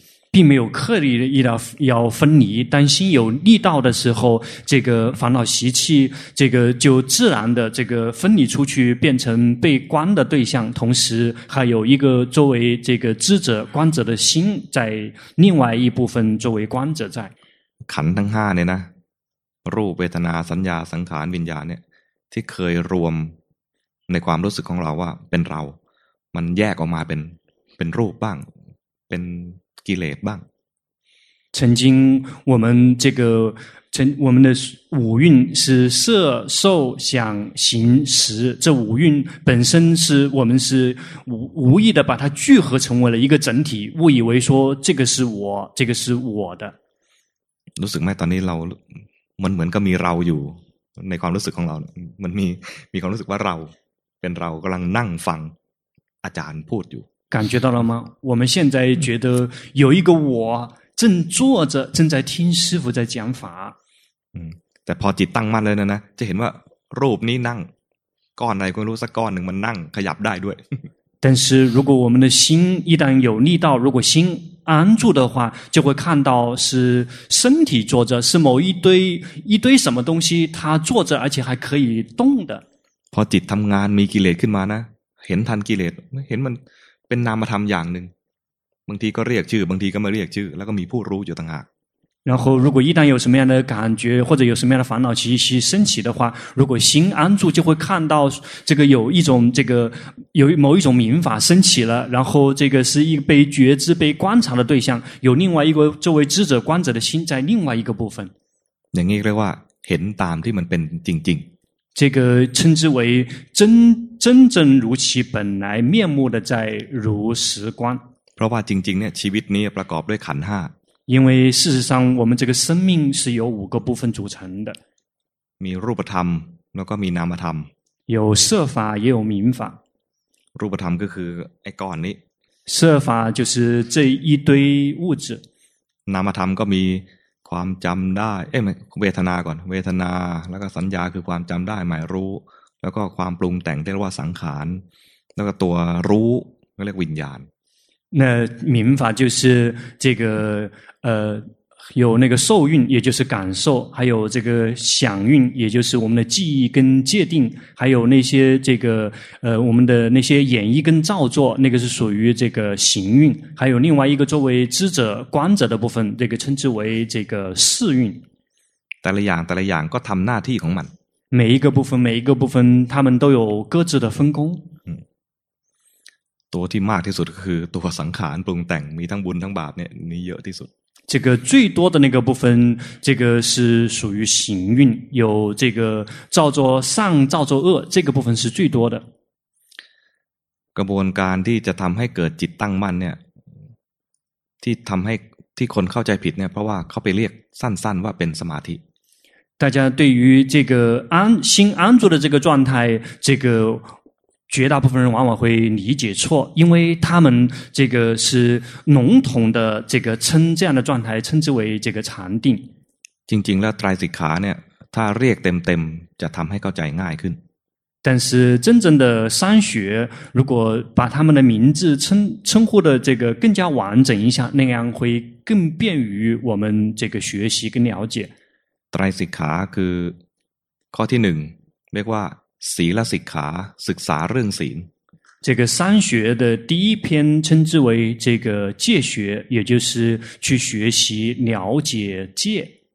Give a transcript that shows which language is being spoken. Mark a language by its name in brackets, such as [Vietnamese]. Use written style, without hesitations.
[Chinese] 并没有刻意的要分离，但心有力道的时候，这个烦恼习气，这个就自然的这个分离出去，变成被观的对象，同时还有一个作为这个知者观者的心，在另外一部分作为观者在。 [Thai] ขันธ์ทั้งห้าเนี่ยนะรูปเวทนาสัญญาสังขารวิญญาณเนี่ยที่เคยรวมในความรู้สึกของเราว่าเป็นเรามันแยกออกมาเป็นรูปบ้างเป็นกิเลสบ้าง [Chinese] 曾经我们这个我们的五蕴是色受想行识这五蕴本身是我们是 无意的把它聚合成为了一个整体误以为说这个是我这个是我的 [Thai] รู้สึกไหมตอนนี้เรามันเหมือนกับมีเราอยู่ในความรู้สึกของเรามันมีความรู้สึกว่าเราเป็นเรากำลังนั่งฟังอาจารย์พูดอยู่ [Chinese] 感觉到了吗？我们现在觉得有一个我正坐着，正在听师父在讲法。 [Thai] 嗯，แต่พอจิตตั้งมั่นเลยนะจะเห็นว่ารูปนี้นั่งก้อนใดก็รู้สักก้อนหนึ่งมันนั่งขยับได้ด้วย。 [Chinese] 但是如果我们的心一旦有力道，如果心安住的话，就会看到是身体坐着，是某一堆什么东西，它坐着而且还可以动的。 [Thai] พอจิตทำงานมีกิเลสขึ้นมานะเห็นทันกิเลสเห็นมันเป็นนามธรรมอย่างหนึ่งบางทีก็เรียกชื่อบางทีก็ไม่เรียกชื่อแล้วก็มีผู้รู้อยู่ต่างหาก [Chinese] 然后如果一旦有什么样的感觉或者有什么样的烦恼习气升起的话如果心安住就会看到这个有一种这个有某一种明法升起了然后这个是一被觉知被观察的对象有另外一个作为知者观者的心在另外一个部分 [Thai] อย่างนี้เรียกว่าเห็นตามที่มันเป็นจริง [Chinese] 这个称之为真正如其本来面目的在如实观 [Thai] เพราะว่าจริงๆเนี่ยชีวิตนี้ประกอบด้วยขันธ์ห้า [Chinese] 因为事实上我们这个生命是由五个部分组成的 [Thai] มีรูปธรรมแล้วก็มีนามธรรม [Chinese] 有色法也有名法 [Thai] รูปธรรมก็คือไอ้ก้อนนี้ [Chinese] 色法就是这一堆物质 [Thai] นามธรรมก็มีความจำได้เวทนาก่อนเวทนาแล้วก็สัญญาคือความจำได้หมายรู้แล้วก็ความปรุงแต่งเรียกว่าสังขารแล้วก็ตัวรู้เรียกวิญญาณ [Chinese] 那明法就是这个有那个受蕴也就是感受还有这个想蕴也就是我们的记忆跟界定还有那些这个我们的那些演绎跟造作那个是属于这个行蕴还有另外一个作为知者观者的部分这个称之为这个事蕴 [Thai] แต่ละอย่างแต่ละอย่างก็ทำหน้าที่ของมัน [Chinese] 每一个部分每一个部分他们都有各自的分工 [Thai] ตัวที่มากที่สุดคือตัวสังขารปรุงแต่งมีทั้งบุญทั้งบาปเนี่ยนี่เยอะที่สุด [Chinese] 这个最多的那个部分，这个是属于行运，有这个造作善、造作恶，这个部分是最多的。 [Thai] กระบวนการที่จะทำให้เกิดจิตตั้งมั่นเนี่ย，ที่ทำให้ที่คนเข้าใจผิดเนี่ย，เพราะว่าเขาไปเรียกสั้นๆว่าเป็นสมาธิ。 [Chinese] 大家对于这个安心安住的这个状态，这个绝大部分人往往会理解错，因为他们这个是笼统的这个称这样的状态称之为这个禅定。 [Thai] จริงๆแล้วไตรสิกขาเนี่ยถ้าเรียกเต็มๆจะทำให้เข้าใจง่ายขึ้น。 [Chinese] 但是真正的三学，如果把他们的名字称呼的这个更加完整一下，那样会更便于我们这个学习跟了解。 [Thai] ไตรสิกขาคือข้อที่หนึ่งเรียกว่าศีลสิกขาศึกษาเรื่องศีล [Chinese] 这个三学的第一篇称之为这个戒学也就是去学习了解戒